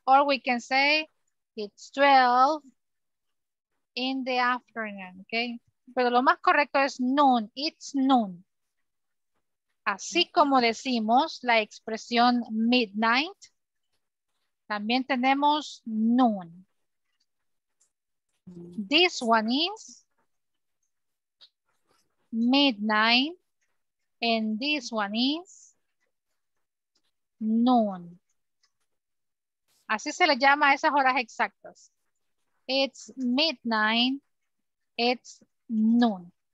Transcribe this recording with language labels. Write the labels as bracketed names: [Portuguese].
[English] Or we can say it's 12 in the afternoon. [Spanish] Okay. Pero lo más correcto es noon. [English] It's noon. [Spanish] Así como decimos la expresión midnight, también tenemos noon. [English] This one is midnight, and this one is noon. [Spanish] Así se le llama a esas horas exactas. [English] It's midnight, it's noon.